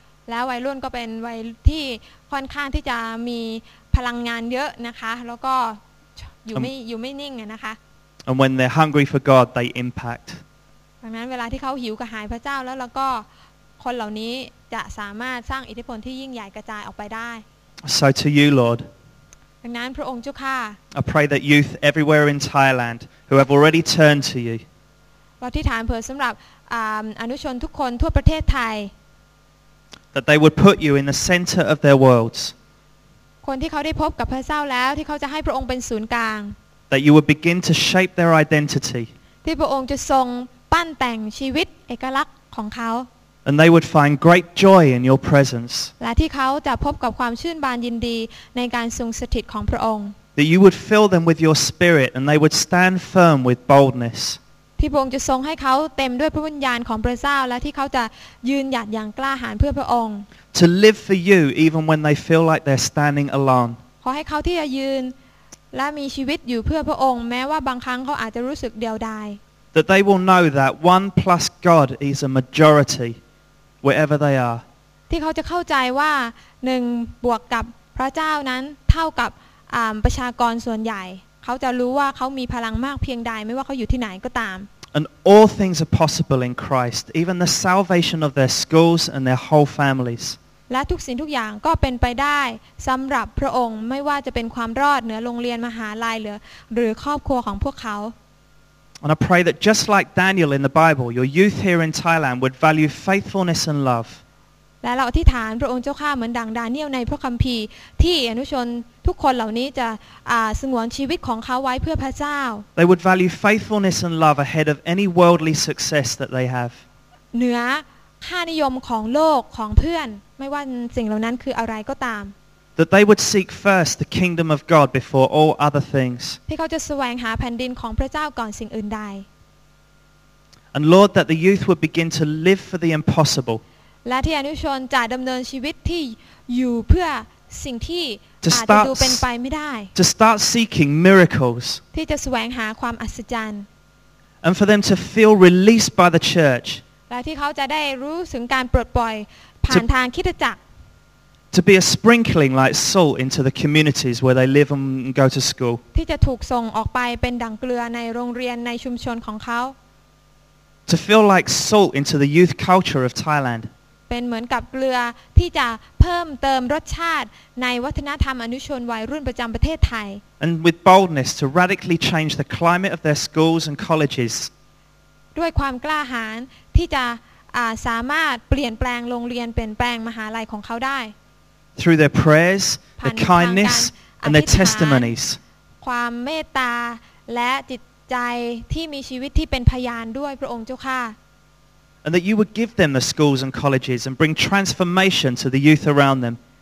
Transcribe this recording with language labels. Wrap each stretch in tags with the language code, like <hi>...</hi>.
<th>แล้ววัยรุ่นก็เป็นวัยที่ค่อนข้างที่จะมีพลังงานเยอะนะคะแล้วก็อยู่ไม่นิ่งอ่ะนะคะ</th> <en>And when they're hungry for God they impact</en> <th>ดังนั้นเวลาที่เขาหิวกระหายพระเจ้าแล้วก็คนเหล่านี้จะสามารถสร้างอิทธิพลที่ยิ่งใหญ่กระจายออกไปได้</th> <en>So to you Lord</en> <th>ดังนั้นพระองค์เจ้าค่ะ</th> <en>I pray that youth everywhere in Thailand who have already turned to you</en> <th>เราอธิษฐานเผื่อสําหรับอนุชนทุกคนทั่วประเทศไทย</th> <en>that they would put you in the center of their worlds</en> <th>คนที่เขาได้พบกับพระเจ้าแล้วที่เขาจะให้พระองค์เป็นศูนย์กลาง</th> <en>That you would begin to shape their identity</en> <th>ที่พระองค์จะทรงปั้นแต่งชีวิตเอกลักษณ์ของเขา</th> <en>And they would find great joy in your presence</en> <th>และที่เขาจะพบกับความชื่นบานยินดีในการทรงสถิตของพระองค์</th> <en>That you would fill them with your spirit and they would stand firm with boldness</en> <th>ที่พระองค์จะทรงให้เขาเต็มด้วยพระวิญญาณของพระเจ้าและที่เขาจะยืนหยัดอย่างกล้าหาญเพื่อพระองค์</th> <en>To live for you even when they feel like they're standing alone.</en> <th>ขอให้เขาที่จะยืนและมีชีวิตอยู่เพื่อพระองค์แม้ว่าบางครั้งเขาอาจจะรู้สึกเดียวดาย</th> <en>That they will know that one plus God is a majority wherever they are.</en> <th>ที่เขาจะเข้าใจว่า1บวกกับพระเจ้านั้นเท่ากับประชากรส่วนใหญ่เขาจะรู้ว่าเขามีพลังมากเพียงใดไม่ว่าเขาอยู่ที่ไหนก็ตาม</th> <en>And all things are possible in Christ, even the salvation of their schools and their whole families.</en> <th>และทุกสิ่งทุกอย่างก็เป็นไปได้สำหรับพระองค์ไม่ว่าจะเป็นความรอดเหนือโรงเรียนมหาลัยหรือครอบครัวของพวกเขา</th> <en>And I pray that just like Daniel in the Bible, your youth here in Thailand would value faithfulness and love.</en> <th>และเราอธิษฐานพระองค์เจ้าค่ะเหมือนดังดาเนียลในพระคัมภีร์ที่อนุชนทุกคนเหล่านี้จะสงวนชีวิตของเขาไว้เพื่อพระเจ้า</th> <en>They would value faithfulness and love ahead of any worldly success that they have</en> <th>เหนือค่านิยมของโลกของเพื่อนไม่ว่าสิ่งเหล่านั้นคืออะไรก็ตาม</th> <en>That they would seek first the kingdom of God before all other things</en> <th>ที่เขาจะแสวงหาแผ่นดินของพระเจ้าก่อนสิ่งอื่นใด</th> <en>And Lord that the youth would begin to live for the impossible</en> <th>และที่อนุชนจะดำเนินชีวิตที่อยู่เพื่อสิ่งที่อาจจะดูเป็นไปไม่ได้</th> <en>To start seeking miracles</en> <th>ที่จะแสวงหาความอัศจรรย์</th> <en>And for them to feel released by the church</en> <th>และที่เขาจะได้รู้ถึงการปลดปล่อยผ่านทางคริสตจักร</th> <en>To be a sprinkling like salt into the communities where they live and go to school</en> <th>ที่จะถูกส่งออกไปเป็นดั่งเกลือในโรงเรียนในชุมชนของเขา</th> <en>To feel like salt into the youth culture of Thailand</en> <th>เป็นเหมือนกับเกลือที่จะเพิ่มเติมรสชาติในวัฒนธรรมอนุชนวัยรุ่นประจำประเทศไทย</th> <en>And with boldness to radically change the climate of their schools and colleges</en> <th>ด้วยความกล้าหาญที่จะสามารถเปลี่ยนแปลงโรงเรียนเปลี่ยนแปลงมหาลัยของเขาได้</th> <en>Through their prayers, their kindness, and their testimonies ค</en> <th>ความเมตตาและจิตใจที่มีชีวิตที่เป็นพยานด้วยพระองค์เจ้าค่ะ</th> <en>And that you would give them the schools and colleges and bring transformation to the youth around them</en>